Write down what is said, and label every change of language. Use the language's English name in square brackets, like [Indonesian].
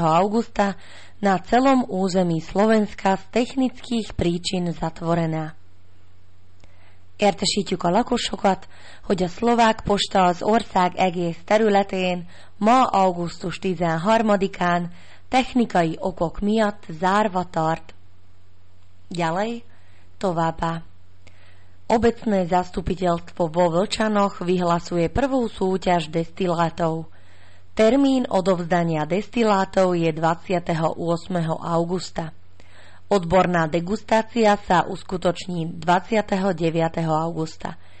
[Slovak] augusta na celom území Slovenska z technických príčin zatvorená. [Hungarian] Értesítjük a lakosokat, hogy a szlovák posta az ország egész területén ma augusztus 13-án technikai okok miatt zárva tart. [Slovak] Ďalej, [Hungarian] továbbá. [Slovak] Obecné zastupiteľstvo vo Vlčanoch vyhlasuje prvú súťaž destilátov. Termín odovzdania destilátov je 28. augusta. Odborná degustácia sa uskutoční 29. augusta.